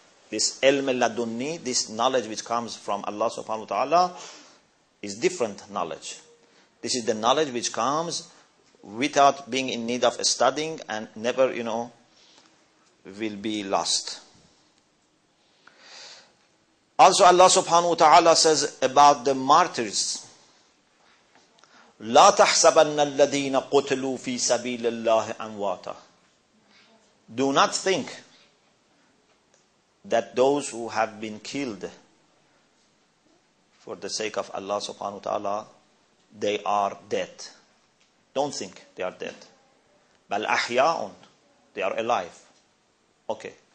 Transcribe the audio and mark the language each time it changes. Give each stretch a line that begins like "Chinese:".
English: This ilm al-ladunni, this knowledge which comes from Allah subhanahu wa ta'ala, is different knowledge. This is the knowledge which comes without being in need of studying and never, you know, will be lost. Also Allah subhanahu wa ta'ala says about the martyrs,
Arabic: لا تحسبن الذين قتلوا في سبيل الله أمواتا.
English: Do not think that those who have been killed for the sake of Allah subhanahu wa ta'ala, they are dead. Don't think they are dead.
Arabic: بل أحياءٌ,
English: they are alive. Okay.